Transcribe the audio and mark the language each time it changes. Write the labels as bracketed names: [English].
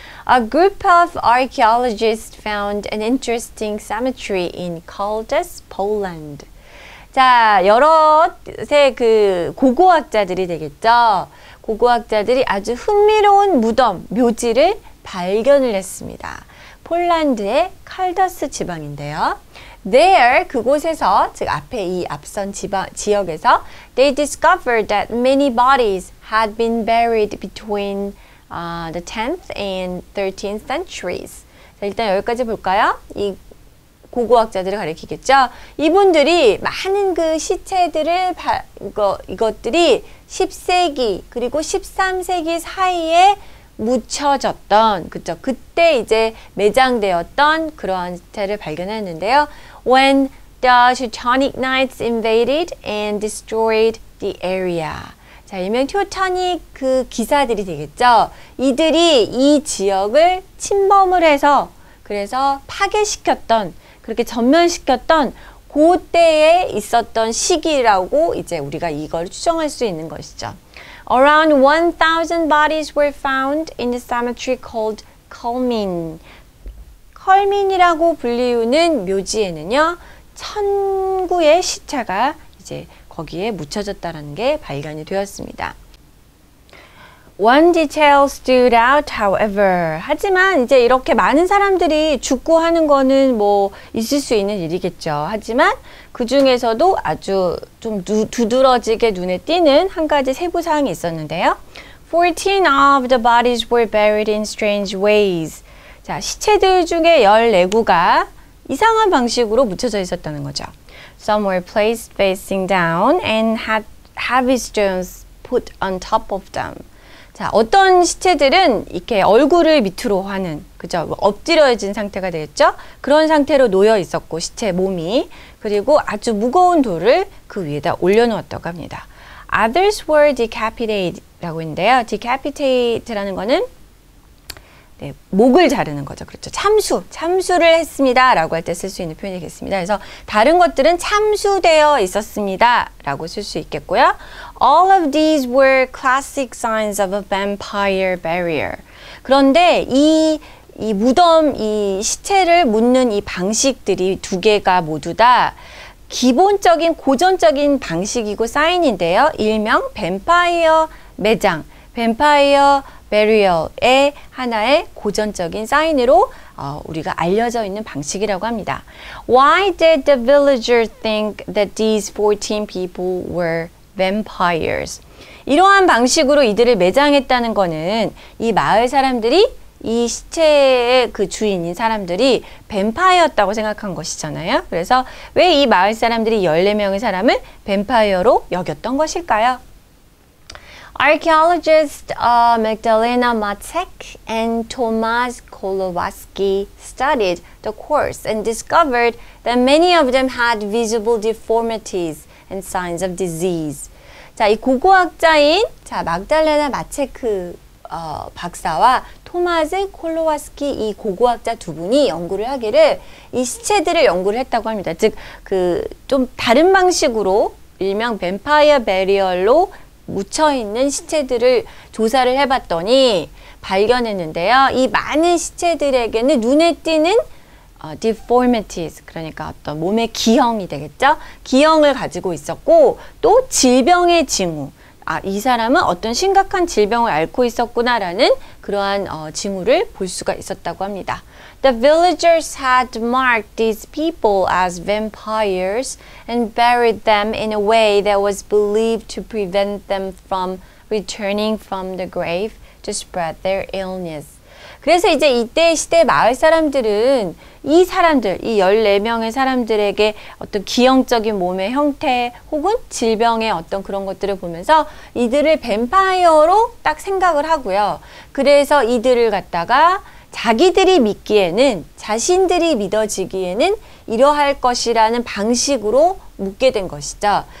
[English] A group of archaeologists found an interesting cemetery in Caldas, Poland. [Korean] 자, 여럿의 그 고고학자들이 되겠죠. 고고학자들이 아주 흥미로운 무덤, 묘지를 발견을 했습니다. 폴란드의 칼더스 지방인데요. [English] There, [Korean] 그곳에서, 즉 앞에 이 앞선 지역에서 [English] they discovered that many bodies had been buried between the 10th and 13th centuries. [Korean] 자, 일단 여기까지 볼까요? 이 고고학자들을 가리키겠죠? 이분들이 많은 그 시체들을, 이것들이 10세기 그리고 13세기 사이에 묻혀졌던, 그쵸? 그때 이제 매장되었던 그러한 시체를 발견했는데요. [English] When the Teutonic Knights invaded and destroyed the area. [Korean] 자, 일명 Teutonic 그 기사들이 되겠죠. 이들이 이 지역을 침범을 해서 그래서 파괴시켰던, 그렇게 전멸시켰던 그 때에 있었던 시기라고 이제 우리가 이걸 추정할 수 있는 것이죠. [English] Around 1,000 bodies were found in the cemetery called Culmin. [Korean] 컬민이라고 불리우는 묘지에는요, 1,000구의 시체가 이제 거기에 묻혀졌다는 게 발견이 되었습니다. [English] One detail stood out, however. [Korean] 하지만 이제 이렇게 많은 사람들이 죽고 하는 거는 뭐 있을 수 있는 일이겠죠. 하지만 그 중에서도 아주 좀 두드러지게 눈에 띄는 한 가지 세부 사항이 있었는데요. [English] 14 of the bodies were buried in strange ways. [Korean] 자, 시체들 중에 14구가 이상한 방식으로 묻혀져 있었다는 거죠. Some were placed facing down and had heavy stones put on top of them. 자, 어떤 시체들은 이렇게 얼굴을 밑으로 하는, 그죠? 엎드려진 상태가 되겠죠? 그런 상태로 놓여 있었고, 시체 몸이. 그리고 아주 무거운 돌을 그 위에다 올려놓았다고 합니다. [English] Others were decapitated [Korean] 라고 했는데요. Decapitate라는 거는 네, 목을 자르는 거죠. 그렇죠. 참수를 했습니다. 라고 할 때 쓸 수 있는 표현이겠습니다. 그래서 다른 것들은 참수되어 있었습니다. 라고 쓸 수 있겠고요. [English] All of these were classic signs of a vampire burial. [Korean] 그런데 이 무덤, 이 시체를 묻는 이 방식들이 두 개가 모두 다 기본적인 고전적인 방식이고 사인인데요. 일명 뱀파이어 매장, 뱀파이어 burial의 하나의 고전적인 사인으로 우리가 알려져 있는 방식이라고 합니다. [English] Why did the villagers think that these 14 people were vampires? [Korean] 이러한 방식으로 이들을 매장했다는 것은 이 마을 사람들이 이 시체의 그 주인인 사람들이 뱀파이어였다고 생각한 것이잖아요. 그래서 왜 이 마을 사람들이 14명의 사람을 뱀파이어로 여겼던 것일까요? [English] Archaeologist Magdalena Macek and Tomasz Kolowski studied the corpse and discovered that many of them had visible deformities and signs of disease. [Korean] 자, 이 고고학자인 자 막달레나 마체크 박사와 토마즈 콜로와스키 이 고고학자 두 분이 연구를 하기를 이 시체들을 연구를 했다고 합니다. 즉 그 좀 다른 방식으로 일명 뱀파이어 베리얼로 묻혀있는 시체들을 조사를 해봤더니 발견했는데요. 이 많은 시체들에게는 눈에 띄는 deformities, 그러니까 어떤 몸의 기형이 되겠죠. 기형을 가지고 있었고 또 질병의 징후, 아, 이 사람은 어떤 심각한 질병을 앓고 있었구나라는 그러한 징후를 볼 수가 있었다고 합니다. [English] The villagers had marked these people as vampires and buried them in a way that was believed to prevent them from returning from the grave to spread their illness. [Korean] 그래서 이제 이때 시대 마을 사람들은 이 사람들, 이 14명의 사람들에게 어떤 기형적인 몸의 형태 혹은 질병의 어떤 그런 것들을 보면서 이들을 뱀파이어로 딱 생각을 하고요. 그래서 이들을 갖다가 자기들이 믿기에는, 자신들이 믿어지기에는 이러할 것이라는 방식으로 묻게 된 것이죠.